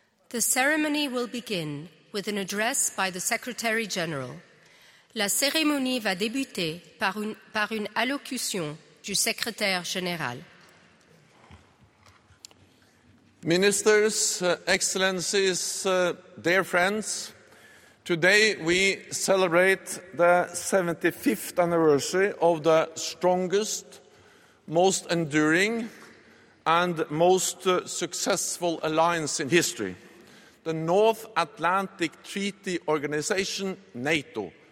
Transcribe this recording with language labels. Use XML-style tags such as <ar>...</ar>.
<en>The ceremony will begin with an address by the Secretary General.</en> <fr>La cérémonie va débuter par une allocution du Secrétaire Général.</fr> <en>Ministers, Excellencies, dear friends, today we celebrate the 75th anniversary of the strongest, most enduring, and most successful alliance in history, the North Atlantic Treaty Organization, NATO.</en>